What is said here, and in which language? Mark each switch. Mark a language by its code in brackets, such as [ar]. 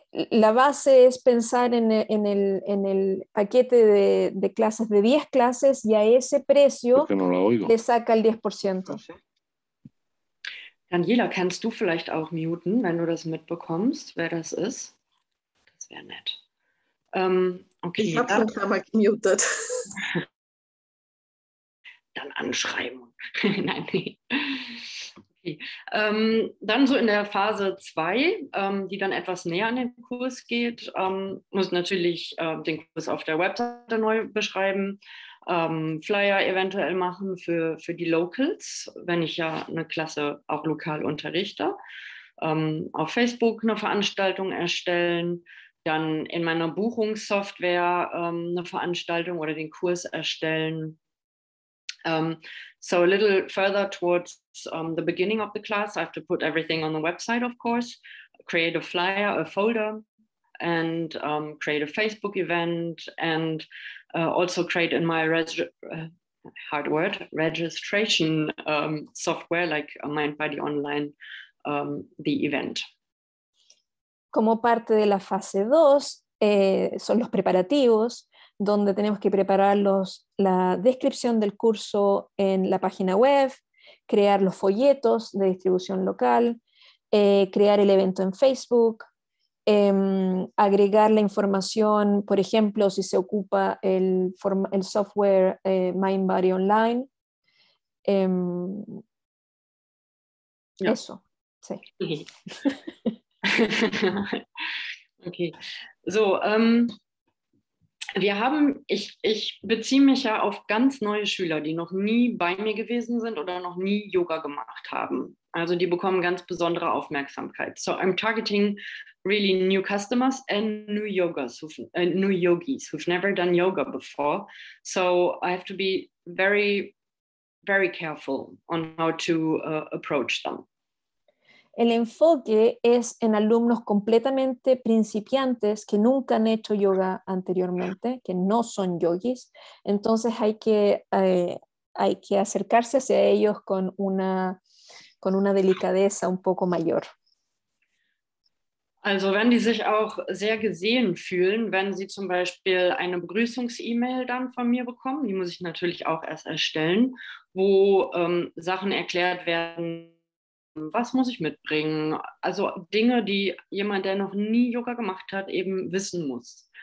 [es] La base es pensar en el paquete de clases de 10 clases y a ese precio le saca el 10%. [de] Daniela, kannst du vielleicht auch muten, wenn du das mitbekommst, wer das ist? Das wäre nett. Okay, ich habe schon mal gemutet. Dann anschreiben. Nein, nee. Okay. Dann so in der Phase 2, die dann etwas näher an den Kurs geht, muss natürlich den Kurs auf der Webseite neu beschreiben, Flyer eventuell machen für die Locals, wenn ich ja eine Klasse auch lokal unterrichte, auf Facebook eine Veranstaltung erstellen, dann in meiner Buchungssoftware eine Veranstaltung oder den Kurs erstellen. [en] So a little further towards the beginning of the class, I have to put everything on the website, of course, create a flyer, a folder, and create a Facebook event, and also create in my registration software, like MindBody Online, the event. [es] Como parte de la fase 2, son los preparativos, donde tenemos que preparar la descripción del curso en la página web, crear los folletos de distribución local, crear el evento en Facebook, agregar la información, por ejemplo, si se ocupa el software MindBody Online. Yeah. Eso, sí. [en] Okay, so... [de] Ich beziehe mich ja auf ganz neue Schüler, die noch nie bei mir gewesen sind oder noch nie Yoga gemacht haben. Also die bekommen ganz besondere Aufmerksamkeit. [en] So I'm targeting really new customers and new yogis who've never done yoga before. So I have to be very, very careful on how to approach them. [es] El enfoque es en alumnos completamente principiantes que nunca han hecho yoga anteriormente, que no son yogis. Entonces hay que acercarse hacia ellos con una delicadeza un poco mayor. [de] Also wenn die sich auch sehr gesehen fühlen, wenn sie zum Beispiel eine Begrüßungs-E-Mail dann von mir bekommen, die muss ich natürlich auch erst erstellen, wo Sachen erklärt werden, was muss ich mitbringen? Also Dinge, die jemand, der noch nie Yoga gemacht hat, eben wissen muss.